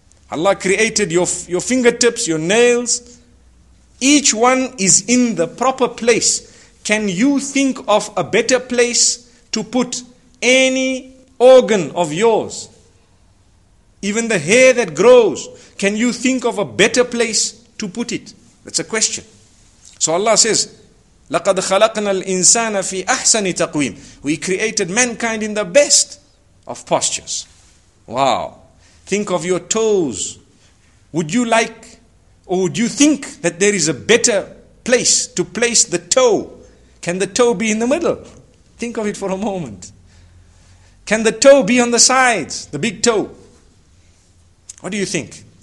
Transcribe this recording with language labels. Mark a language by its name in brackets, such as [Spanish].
[English] Allah created your fingertips, your nails. Each one is in the proper place. Can you think of a better place to put any organ of yours? Even the hair that grows, can you think of a better place to put it? That's a question. [Arabic] So Allah says, لَقَدْ خَلَقْنَا الْإِنسَانَ فِي أَحْسَنِ تَقْوِيمٍ. [English] We created mankind in the best of postures. Wow. Think of your toes. Would you like, or would you think that there is a better place to place the toe? Can the toe be in the middle? Think of it for a moment. Can the toe be on the sides, the big toe? What do you think?